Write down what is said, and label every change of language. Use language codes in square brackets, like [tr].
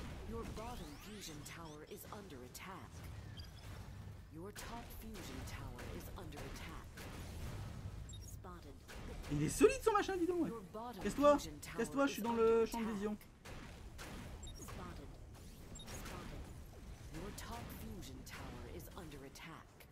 [en] Your bottom fusion tower is under attack. Your top fusion tower is under attack. Spotted. [fr] Il est solide son machin, dis donc, ouais. Casse-toi, casse-toi, je suis dans le champ de vision. [en] Spotted. Spotted. Your top fusion tower is under attack.